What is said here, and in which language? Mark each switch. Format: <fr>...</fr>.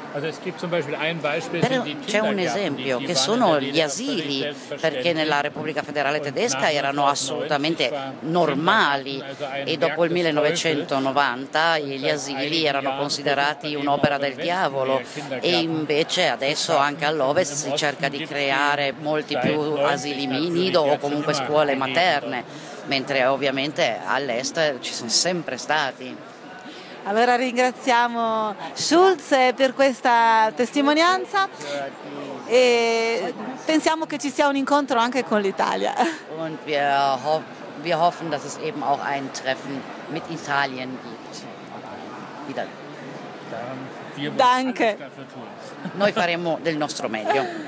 <it>C'è un esempio che sono gli asili, perché nella Repubblica Federale Tedesca erano assolutamente normali e dopo il 1990 gli asili erano considerati un'opera del diavolo e invece adesso anche all'Ovest si cerca di creare molti più asili nido o comunque scuole materne, mentre ovviamente all'Est ci sono sempre stati. Allora ringraziamo Schulze per questa testimonianza e pensiamo che ci sia un incontro anche con l'Italia.</it> <de>Und wir hoffen, dass es eben auch ein Treffen mit Italien gibt. Danke.</de> <it>Noi faremo del nostro meglio.</it>